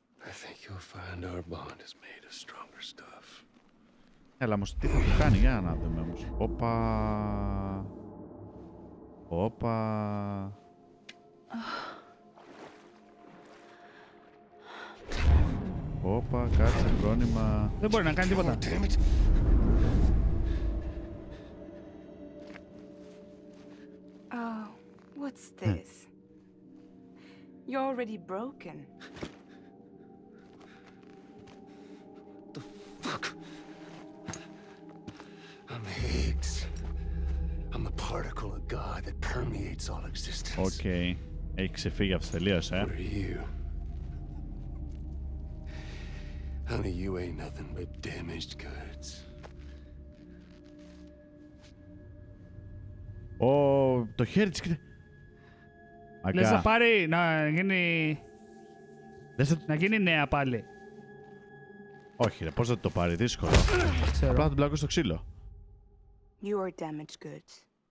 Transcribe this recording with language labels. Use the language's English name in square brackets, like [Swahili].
[English] I think you'll find our bond is made of stronger stuff. [Greek] Έλα, όμως, τι θα κάνει, για να δούμε, όμως. Όπα... Όπα... Όπα, κάτσε, πρόνημα... Δεν μπορεί να κάνει τίποτα. [English] Oh, what's this? You're already broken. The fuck? I'm Higgs. I'm a particle of God that permeates all existence. Okay. [Greek] Έχει ξεφύγει από τελείως, ε. [English] Where are you? Honey, you ain't nothing but damaged goods. [Greek] Oh, το χέρι της, κοίτα. Λες να πάρει, να γίνει... Λες να γίνει νέα πάλι. Όχι ρε, πώς θα το πάρει, δύσκολο. Απλά θα τον πλάκω στο ξύλο. [English] You are damaged goods.